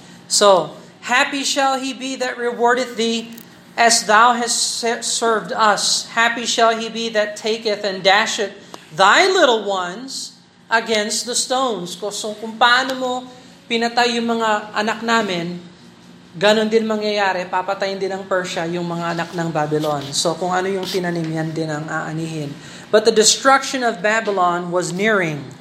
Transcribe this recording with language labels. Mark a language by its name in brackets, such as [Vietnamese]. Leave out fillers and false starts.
[English] So, happy shall he be that rewardeth thee as thou hast served us. Happy shall he be that taketh and dasheth thy little ones against the stones. [Filipino] So, kung paano mo pinatay yung mga anak namin, ganon din mangyayari, papatayin din ng Persia yung mga anak ng Babylon. So kung ano yung tinanim, yan din ang aanihin. [English] But the destruction of Babylon was nearing.